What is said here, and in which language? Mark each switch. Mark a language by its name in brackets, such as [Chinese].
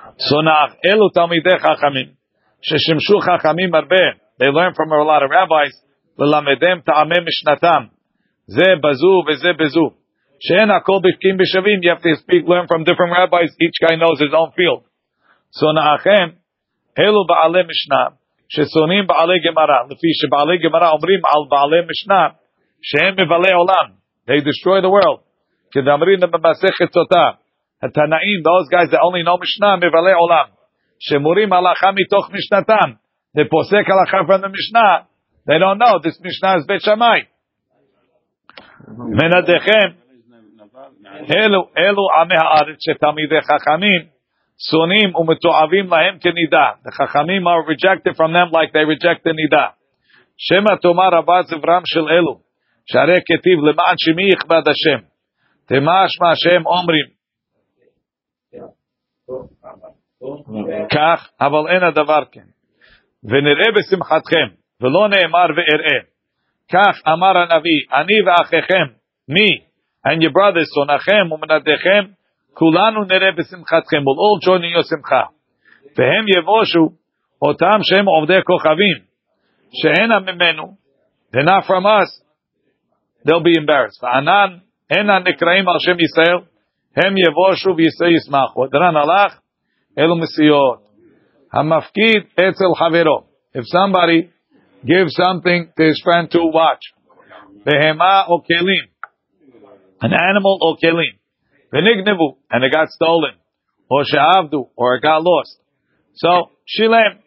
[Hebrew] Sonach, elu talmidei chachamim, ששימשו חכמים הרבה. [English] They learn from a lot of rabbis. [Hebrew] ללמדם טעמי משנתם. זה בזו וזה בזו. שאין הכל בפקים בשווים. [English] You have to speak, learn from different rabbis. Each guy knows his own field. [Hebrew] סונאכם, אלו בעלי משנה, ששונאים בעלי גמרא. לפי שבעלי גמרא אומרים על בעלי משנה, שהם מבלי עולם. [English] They destroy the world. [Hebrew] כדמרים במסכת סוטה. [English] התנאים, those guys that only know משנה, [Hebrew] מבלי עולם. שמורים הלכה מתוך משנתם. זה פוסק הלכה from the משנה. [English] They don't know. [Hebrew] This משנה is בית שמי. מנדכם. אלו עמי הארץ שתלמידי חכמים שונים ומתועבים להם כנידה. [English] The חכמים are rejected from them like they reject the נידה. [Hebrew] שמה תאמר רבה זברם של אלו. שהרי כתיב למען שמי יכבד השם. תמש מה שהם אומרים. כך, אבל אין הדבר כן. ונראה בשמחתכם, ולא נאמר ואראה. כך אמר הנביא, אני ואחיכם, [English] me and your brothers, [Hebrew] שונכם ומנדכם, כולנו נראה בשמחתכם, [English] we'll all join in your [Hebrew] שמחה. והם יבושו, אותם שהם עובדי כוכבים, שאינה ממנו, [English] they're not from us, they'll be embarrassed. [Hebrew] וענן, אינה נקראים על שם ישראל, הם יבושו וישראל ישמחו. ודרן הלך, אלו מסיעות. המפקיד אצל חברו. [English] If somebody gives something to his friend to watch. [Hebrew] בהמה או כלים. [English] An animal [Hebrew] או כלים. ונגנבו. [English] And it got stolen. [Hebrew] או שעבדו. [English] Or it got lost. So, שילם.